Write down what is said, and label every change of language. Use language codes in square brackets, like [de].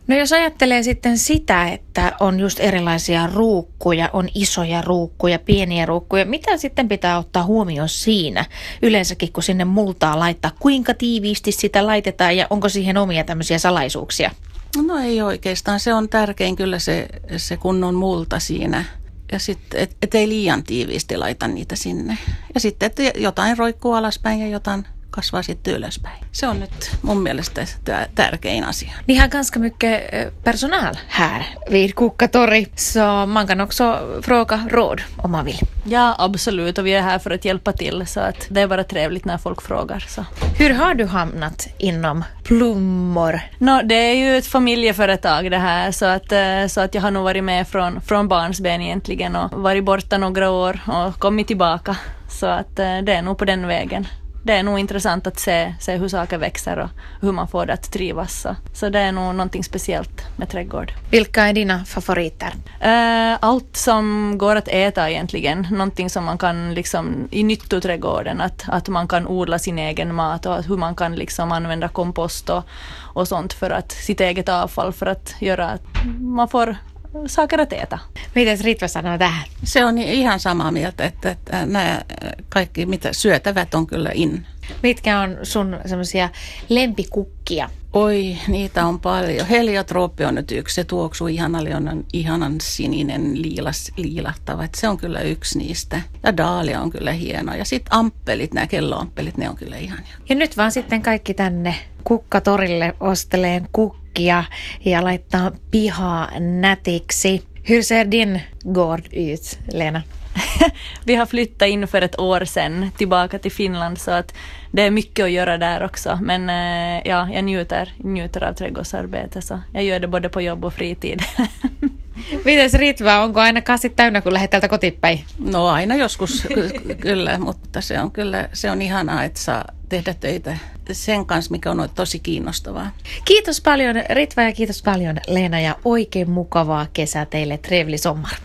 [fi] No jos ajattelee sitten sitä, että on just erilaisia ruukkuja, on isoja ruukkuja, pieniä ruukkuja, mitä sitten pitää ottaa huomioon siinä yleensäkin, kun sinne multaa laittaa, kuinka tiiviisti sitä laitetaan ja onko siihen omia tämmöisiä salaisuuksia? No ei oikeastaan. Se on tärkein kyllä se kunnon multa siinä. Ja sitten, et ei liian tiiviisti laita niitä sinne. Ja sitten, että jotain roikkuu alaspäin ja jotain kasvaa sitten ylöspäin. Se on nyt mun mielestä tärkein asia. [sv] Ihan ganska mycket personal här vid Kukkatorri. Så man kan också fråga råd om man vill. Ja, absolut. Och vi är här för att hjälpa till. Så att det är bara trevligt när folk frågar. Så. Hur har du hamnat inom plummor? No, det är ju ett familjeföretag det här. Så att jag har nog varit med från barnsben egentligen. Och varit borta några år och kommit tillbaka. Så att det är nog på den vägen. Det är nog intressant att se hur saker växer och hur man får det att trivas. Så det är nog någonting speciellt med trädgård. Vilka är dina favoriter? Allt som går att äta egentligen. Någonting som man kan liksom, i nyttoträdgården, att man kan odla sin egen mat och hur man kan liksom använda kompost och sånt för att sitt eget avfall för att göra att man får saker att äta. [fi] Mites Ritva sanoo tähän? Se on ihan samaa mieltä, että nämä kaikki mitä syötävät on kyllä in. Mitkä on sun semmoisia lempikukkia? Oi, niitä on paljon. Heliotrooppi on nyt yksi. Se tuoksuu ihanan sininen liilahtava. Se on kyllä yksi niistä. Ja daalia on kyllä hieno. Ja sitten amppelit, nämä kelloamppelit, ne on kyllä ihania. Ja nyt vaan sitten kaikki tänne Kukkatorille osteleen kukkia ja laittaa pihaa nätiksi. [sv] Hur ser din gård ut, Leena? Vi har flyttat in för ett år sedan tillbaka till Finland så att det är mycket att göra där också. Men ja, jag njuter av trädgårdsarbete så jag gör det både på jobb och fritid. [fi] Mites Ritva, onko aina kassit täynnä, kun lähdet täältä kotipäin? No aina joskus kyllä, mutta se on ihanaa, että saa tehdä töitä sen kanssa, mikä on tosi kiinnostavaa. Kiitos paljon Ritva ja kiitos paljon Leena ja oikein mukavaa kesää teille, [sv] trevlig sommar.